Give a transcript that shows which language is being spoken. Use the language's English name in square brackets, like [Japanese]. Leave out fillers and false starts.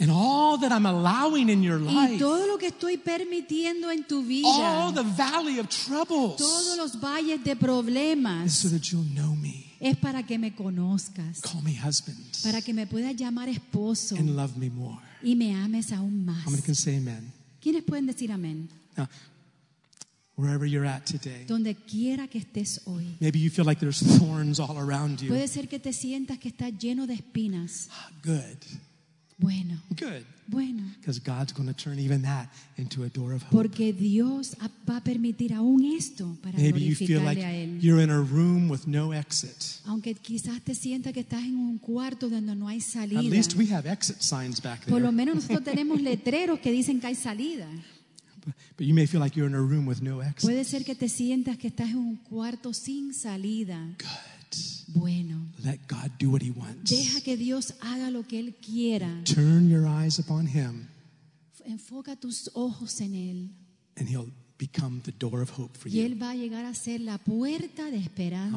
[English] And all that I'm allowing in your life. [Spanish] Y todo lo que estoy permitiendo en tu vida, [English] all the valley of troubles. [Spanish] Todos los valles de problemas, [English] is so that you'll know me. [Spanish] Es para que me conozcas. [English] Call me husband. [Spanish] Para que me puedas llamar esposo. [English] And love me more. [Spanish] Y me ames aún más. [English] How many can say amen? [Spanish] ¿Quiénes pueden decir amén? [English] Now, wherever you're at today, [Spanish] donde quiera que estés hoy, [English] maybe you feel like there's thorns all around you. [Spanish] Puede ser que te sientas que estás lleno de espinas. [English] Good. [Spanish] Bueno. [English] Good. [Spanish] Bueno. [English] Because God's going to turn even that into a door of hope. [Spanish] Porque Dios va a permitir aún esto para [English] maybe you feel like you're in a room with no exit. [Spanish] Aunque quizás te sientas que estás en un cuarto donde no hay salida. [English] At least we have exit signs back there. [Spanish] Por lo menos nosotros tenemos letreros que dicen que hay salida. [English] But you may feel like you're in a room with no exit. [Spanish] Puede ser que te sientas que estás en un cuarto sin salida. [English] Good. [Spanish] Bueno. [English] Let God do what he wants. [Spanish] Deja que Dios haga lo que él quiera. [English] Turn your eyes upon him. [Spanish] Enfoca tus ojos en él. [English] And he'll become the door of hope for you. [Spanish] Y él va a llegar a ser la puerta de esperanza para ti.